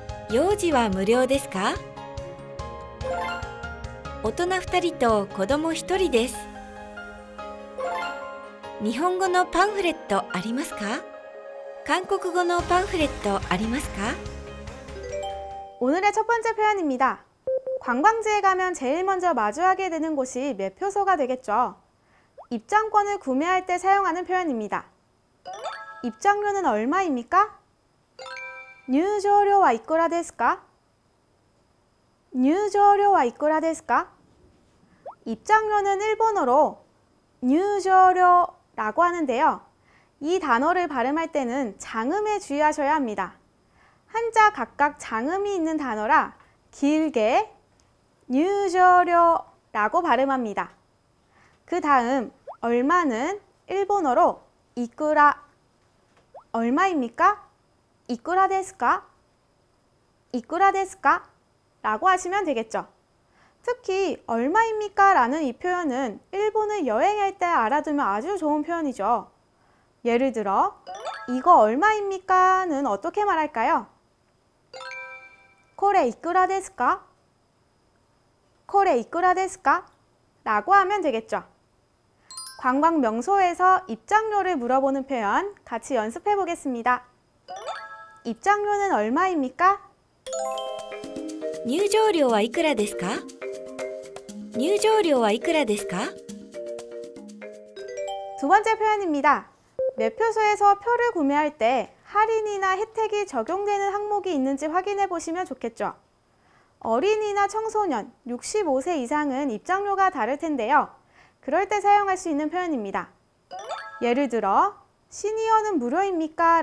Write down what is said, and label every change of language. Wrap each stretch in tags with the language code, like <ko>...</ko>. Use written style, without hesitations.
<ja>幼児は無料ですか? 大人2人と子供1人です。日本語のパンフレットありますか?韓国語のパンフレットありますか?</ja> <ko>오늘의 첫 번째 표현입니다. 관광지에 가면 제일 먼저 마주하게 되는 곳이 매표소가 되겠죠. 입장권을 구매할 때 사용하는 표현입니다. 입장료는 얼마입니까?</ko> <ja>入場料はいくらですか?入場料はいくらですか?入場料はいくらですか?</ja> <ko>입장료는 일본어로 入場料라고 하는데요. 이 단어를 발음할 때는 장음에 주의하셔야 합니다. 한자 각각 장음이 있는 단어라 길게 入場料라고 발음합니다. 그 다음 얼마는 일본어로 이쿠라 얼마입니까?</ko> <ja>이쿠라 데스카? 이쿠라 데스카?</ja> <ko>라고 하시면 되겠죠. 특히 얼마입니까? 라는 이 표현은 일본을 여행할 때 알아두면 아주 좋은 표현이죠. 예를 들어 이거 얼마입니까? 는 어떻게 말할까요?</ko> <ja>これ いくら ですか? これ いくら ですか?</ja> <ko>라고 하면 되겠죠. 관광 명소에서 입장료를 물어보는 표현 같이 연습해 보겠습니다. 입장료는 얼마입니까?</ko> <ja>入場料は いくら ですか?入場料は いくら ですか?</ja> <ko>두 번째 표현입니다. 매표소에서 표를 구매할 때 할인이나 혜택이 적용되는 항목이 있는지 확인해 보시면 좋겠죠. 어린이나 청소년, 65세 이상은 입장료가 다를 텐데요. 그럴 때 사용할 수 있는 표현입니다. 예를 들어, 시니어는 무료입니까?</ko>